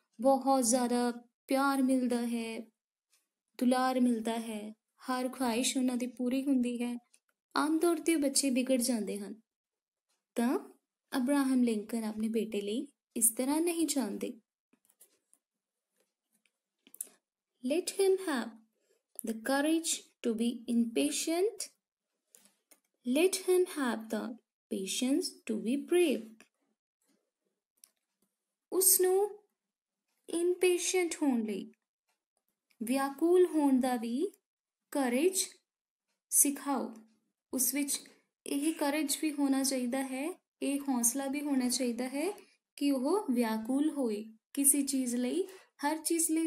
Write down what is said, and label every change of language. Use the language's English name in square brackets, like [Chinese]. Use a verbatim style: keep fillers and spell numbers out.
[Hindi] बहुत ज़्यादा प्यार मिਲता है, [Punjabi] ਦੁਲਾਰ ਮਿਲਦਾ ਹੈ, ਹਰ ਖੁਆਇਸ਼ ਉਹਨਾਂ ਦੀ ਪੂਰੀ ਹੁੰਦੀ ਹੈ। ਆਮ ਤੌਰ ਤੇ ਬੱਚੇ ਵਿਗੜ ਜਾਂਦੇ ਹਨ, ਤਾਂ ਅਬਰਾਹਮ ਲਿੰਕਨ ਆਪਣੇ ਬੇਟੇ ਲਈ ਇਸ ਤਰ੍ਹਾਂ ਨਹੀਂ ਚਾਹੁੰਦੇ। [English] Let him have the courage to be impatient. Let him have the patience to be brave. [Punjabi] ਉਸਨੂੰ impatient ਹੋਣ ਲਈ, ਵਿਆਕੁਲ ਹੋਣ ਦਾ ਵੀ ਕਰੇਜ ਸਿਖਾਓ। ਉਸ ਵਿੱਚ ਇਹ ਕਰੇਜ ਵੀ ਹੋਣਾ ਚਾਹੀਦਾ ਹੈ, ਇਹ ਹੌਸਲਾ ਵੀ ਹੋਣਾ ਚਾਹੀਦਾ ਹੈ ਕਿ ਉਹ ਵਿਆਕੁਲ ਹੋਏ ਕਿਸੇ ਚੀਜ਼ ਲਈ, ਹਰ ਚੀਜ਼ ਲਈ।